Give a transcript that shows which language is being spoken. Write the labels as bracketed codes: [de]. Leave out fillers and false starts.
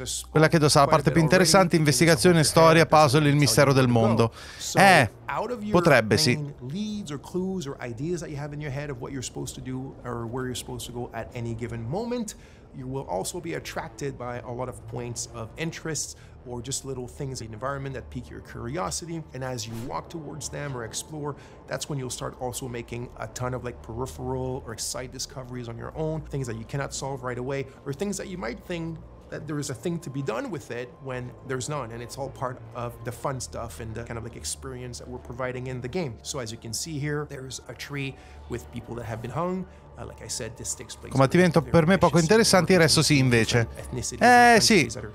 [it] Quella che sarà la parte più interessante, investigazione, storia, puzzle, il mistero del mondo. Potrebbe, sì. [en] Leads or clues or ideas that you have in your head of what you're supposed to do or where you're supposed to go at any given moment, you will also be attracted by a lot of points of interest or just little things in the environment that pique your curiosity. And as you walk towards them or explore, that's when you'll start also making a ton of like peripheral or side discoveries on your own, things that you cannot solve right away or things that you might think that there is a thing to be done with it when there's none, and it's all part of the fun stuff and the kind of like experience that we're providing in the game. So as you can see here, there's a tree with people that have been hung. Like I said, this takes place. [it] Combattimento per me poco interessante, il resto sì invece. Sì.